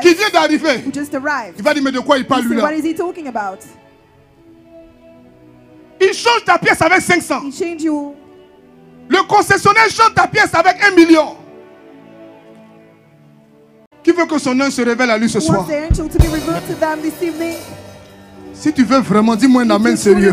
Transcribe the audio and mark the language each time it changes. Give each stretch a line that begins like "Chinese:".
French: qui vient d'arriver,
English: who just arrived,
French: il va dire mais de quoi il parle lui-là?
English: What is he talking about?
French: Il change ta pièce avec 500.
English: He changed you.
French: Le concessionnaire change ta pièce avec 1 million. Qui veut que son ange se révèle à lui ce soir?
English: The angel to be revealed to them this evening?
French: Si tu veux vraiment, dis-moi un amen sérieux.